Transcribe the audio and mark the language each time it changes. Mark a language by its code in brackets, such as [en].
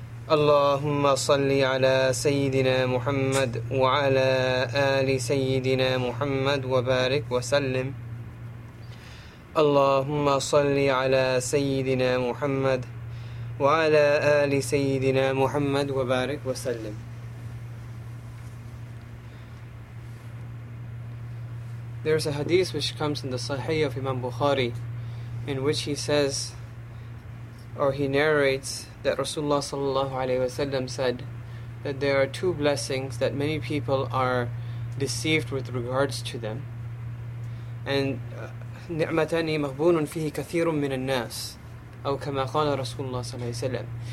[ar] اللهم صل على سيدنا محمد وعلى آل سيدنا محمد وبارك وسلم اللهم صل على سيدنا محمد وعلى آل سيدنا محمد وبارك وسلم. [en] There is a hadith which comes in the Sahih of Imam Bukhari in which he says or he narrates that Rasulullah sallallahu alaihi wasallam said that there are two blessings that many people are deceived with regards to them, and [ar] ni'matani maghbunun fihi kathirun min an-nas. أو كما قال رسول الله صلى الله عليه وسلم.